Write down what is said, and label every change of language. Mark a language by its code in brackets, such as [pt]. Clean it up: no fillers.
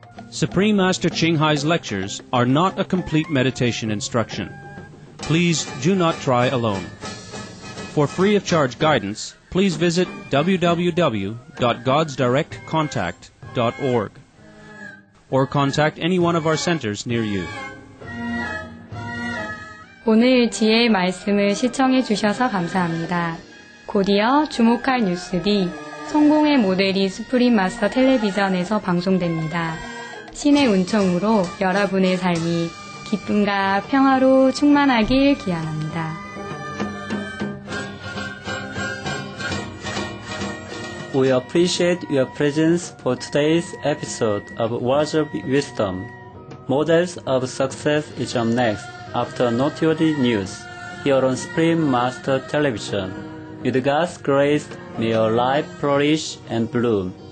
[en] Supreme Master Qinghai's lectures are not a complete meditation instruction. Please do not try alone. For free of charge guidance, please visit www.godsdirectcontact.org. or contact any one of our centers near you. [ko] 오늘 지혜의 말씀을 시청해 주셔서 감사합니다. 곧이어 주목할 뉴스 뒤 성공의 모델이 스프림 마스터 텔레비전에서 방송됩니다. 신의 은총으로 여러분의 삶이 기쁨과 평화로 충만하길 기원합니다. 우리 [en] appreciate your presence for today's episode of Words of Wisdom. Models of Success is up next after noteworthy news here on Supreme Master Television. With God's grace, may your life flourish and bloom.